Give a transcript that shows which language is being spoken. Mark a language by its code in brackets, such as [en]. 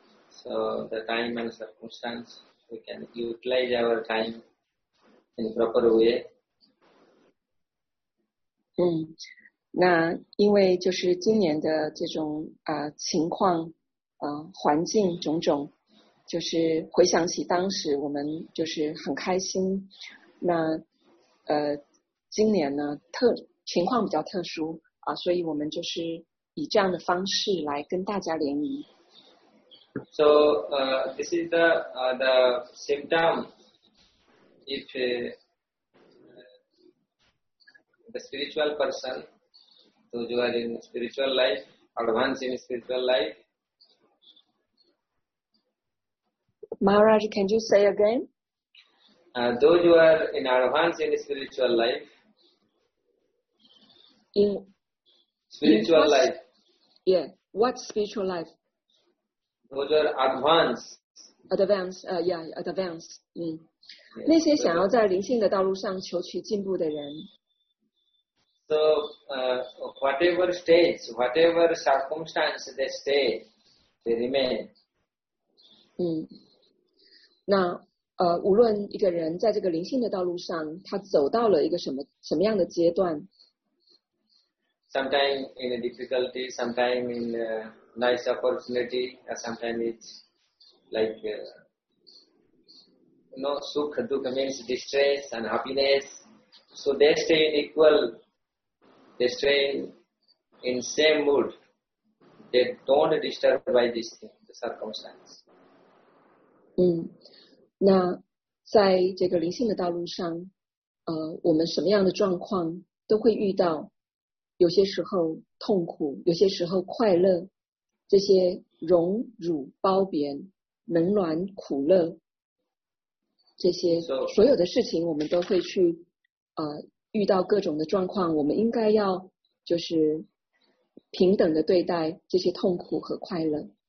[en] So the time and circumstance, we can utilize our time in proper way. [zh] 那因为就是今年的这种情况环境种种。就是回想起当时我们就是很开心那今年呢情况比较特殊所以我们就是以这样的方式来跟大家联谊。 [en] So, this is the same time if the spiritual person, those who are in spiritual life, advance in spiritual life, Maharaj, can you say again? Those who are in advance in spiritual life. In spiritual life. Yeah, what spiritual life? Those who are advanced. Advanced. [zh] 那些想要在灵性的道路上求取进步的人。 [en] So, whatever stage, whatever circumstance they stay, they remain. [zh] 那无论一个人在这个灵性的道路上他走到了一个什么样的阶段 [en] sometimes in a difficulty sometimes in a nice opportunity sometimes it's like you know sukha dukha means distress and happiness So they stay in equal, they stay in same mood. They don't disturb by this thing, the circumstance. [zh] 那在这个灵性的道路上，我们什么样的状况都会遇到，有些时候痛苦，有些时候快乐，这些荣辱褒贬、冷暖苦乐，这些所有的事情，我们都会去遇到各种的状况。我们应该要就是平等的对待这些痛苦和快乐。